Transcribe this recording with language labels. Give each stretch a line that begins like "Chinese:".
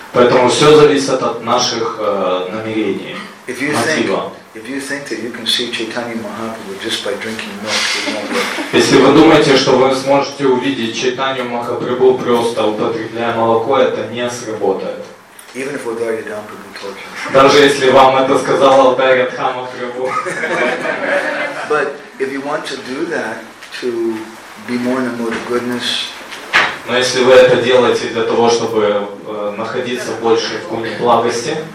Russian: Поэтому все зависит от наших намерений, мотива.
English: If you think that you can see Chaitanya Mahaprabhu just by drinking milk, it won't work.
Russian: Если вы думаете, что вы сможете увидеть Чайтанью Махапрабху просто употребляя молоко, это не сработает.
English: Even if Odarya Dham Prabhu told you.
Russian: Даже если вам это сказал Odarya Dham Prabhu.
English: But if you want to do that to be more in the mood of goodness.
Russian: Но если вы это делаете для того, чтобы находиться больше в гуне благости.